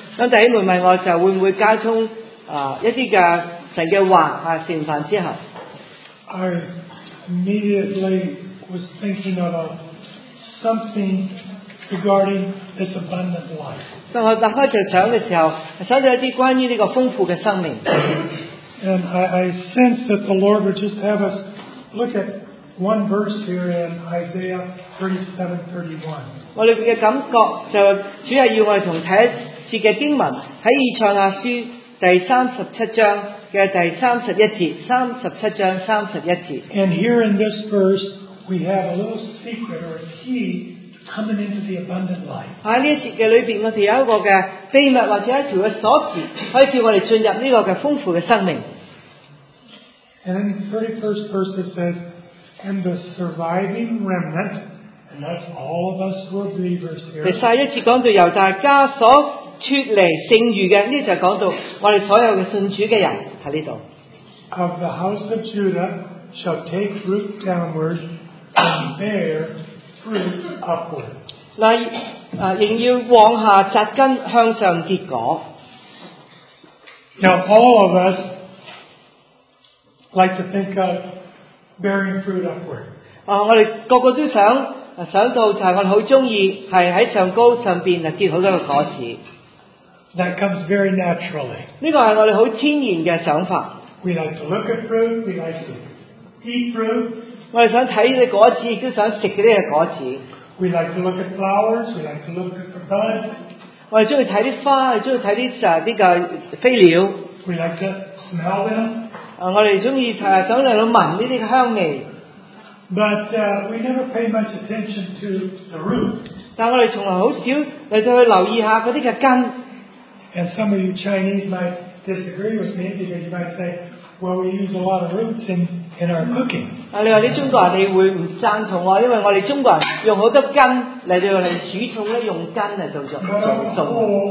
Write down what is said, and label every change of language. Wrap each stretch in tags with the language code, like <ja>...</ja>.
<yue>当弟兄们问我就会唔会交通一啲嘅神嘅话食完饭之后</yue> <en>，I immediately was thinking about something. Regarding this abundant life.</en> <yue>当我打开着想的时候，想到一啲关于呢个丰富的生命。</yue> <en>And I sense that the Lord would just have us look at one verse here in Isaiah 37:31.</en> <yue>我哋嘅感觉就主要要我哋同睇一节嘅经文，喺以赛亚书第三十七章嘅第三十一节，三十七章三十一节。</yue> <en>And here in this verse, we have a little secret or a key. Coming into the abundant life.</en> <yue>喺呢一节嘅里边，我哋有一个嘅秘密或者一条嘅锁匙，可以叫我哋进入呢个嘅丰富嘅生命。</yue> <en>And in the 31st verse, it says, "And the surviving remnant And that's all of us who are believers here.</en> <yue>第十一节讲到犹大家所脱离圣谕嘅，呢就讲到我哋所有嘅信主嘅人喺呢度。</yue> <en>Of the house of Judah shall take root downward and bear fruit upward.</en> <yue>仍要往下扎根向上结果。</yue> <en>Now all of us like to think of bearing fruit upward.</en> <yue>我哋个个都想到，就系我哋好中意系喺上高上边啊结好多个果子。</yue> <en>That comes very naturally.</en> <yue>呢个系我哋好天然嘅想法。</yue> <en>We like to look at fruit. We like to eat fruit.</en> <yue>我哋想睇啲果子，亦都想食嗰啲果子。</yue> <en>We like to look at flowers. We like to look at the buds.</en> <yue>我哋中意睇啲花，中意睇啲啊呢个飞鸟。</yue> <en>We like to smell them.</en> <yue>我哋中意想嚟到闻呢啲香味。</yue> <en>But we never pay much attention to the root.</en> <yue>但我哋从来好少嚟到去留意下嗰啲嘅根。</yue> <en>And some of you Chinese might disagree with me because you might say, "Well, we use a lot of roots in our cooking."</en> <yue>啊，你话你中国人你会唔赞同我？因为我哋中国人用好多根嚟到嚟煮餸咧，用根嚟做做做。</yue>